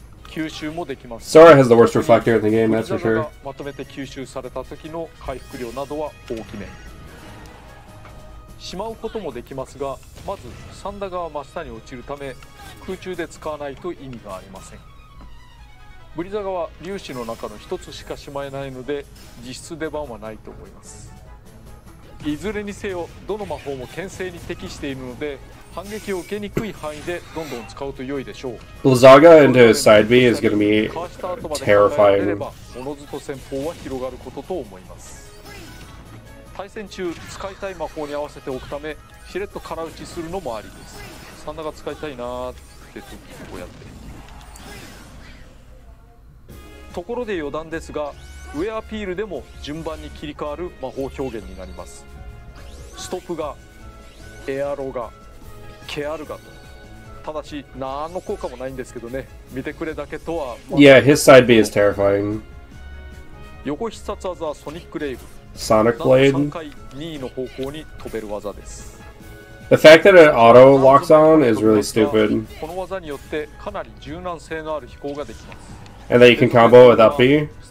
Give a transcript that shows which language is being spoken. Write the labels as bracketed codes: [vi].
[en] Sora has the worst reflector in the game, that's for sure. [ja] まとめて吸収された時の回復量などは大きめ。しまうこともできますが、まずサンダガは真下に落ちるため、空中で使わないと意味がありません。ブリザガは粒子の中の一つしかしまえないので、実質出番はないと思います。いずれにせよ、どの魔法も牽制に適しているので、反撃を受けにくい範囲でどんどん使うと良いでしょう。 [en] ブリザガ into side B is gonna be terrifying。 [ja] おのずと戦法は広がることと思います。対戦中使いたい魔法に合わせておくためしれっと空打ちするのもありです。サンダが使いたいなってとこうやって。ところで余談ですが、ウェアアピールでも順番に切り替わる魔法表現になります。ストプガ、エアロガ、ケアルガと。ただし何の効果もないんですけどね。見てくれだけとは。 [en] Yeah, his side B is terrifying. [ja] 横必殺技はソニックレイブ、 [en] Sonic Blade. The fact that it auto locks on is really stupid. And that you can combo with up B.